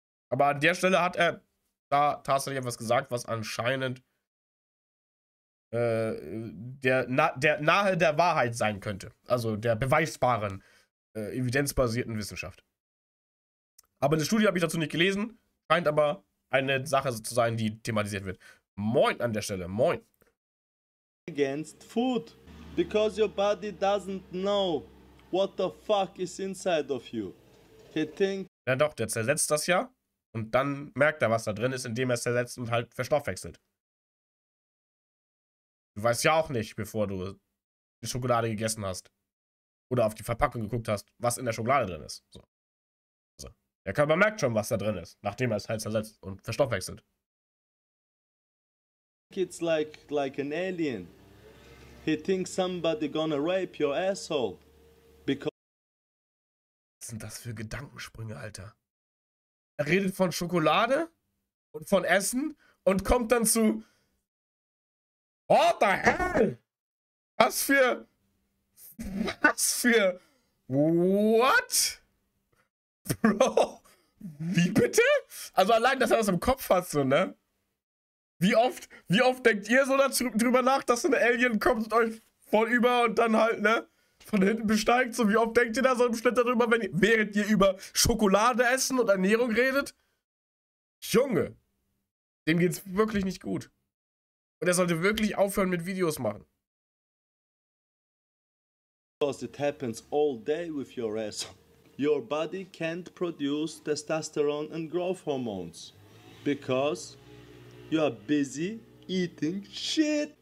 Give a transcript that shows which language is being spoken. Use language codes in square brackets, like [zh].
[de] Aber an der Stelle hat er da tatsächlich etwas gesagt, was anscheinend der nahe der Wahrheit sein könnte. Also der beweisbaren, evidenzbasierten Wissenschaft. Aber eine Studie habe ich dazu nicht gelesen. Scheint aber eine Sache zu sein, die thematisiert wird. Moin an der Stelle, moin. [en] Against food, because your body doesn't know what the fuck is inside of you. He thinks. [de] Ja doch, der zersetzt das ja und dann merkt er, was da drin ist, indem er es zersetzt und halt verstoffwechselt. Du weißt ja auch nicht, bevor du die Schokolade gegessen hast oder auf die Verpackung geguckt hast, was in der Schokolade drin ist. So. Also, der Körper merkt schon, was da drin ist, nachdem er es halt zersetzt und verstoffwechselt. [en] It's like an alien. He thinks somebody gonna rape your asshole. Because. [de] Was sind das für Gedankensprünge, Alter? Er redet von Schokolade und von Essen und kommt dann zu. [en] What the hell? [de] Was für. [en] What? Bro? [de] Wie bitte? Also allein, dass er das im Kopf hat, so, ne? Wie oft denkt ihr so drüber nach, dass ein Alien kommt und euch vorüber und dann halt, ne, von hinten besteigt? So, wie oft denkt ihr da so im Schnitt darüber, während ihr über Schokolade essen und Ernährung redet? Junge, dem geht's wirklich nicht gut. Und er sollte wirklich aufhören mit Videos machen. [en] Because it happens all day with your ass. Your body can't produce testosterone and growth hormones. Because you are busy eating shit.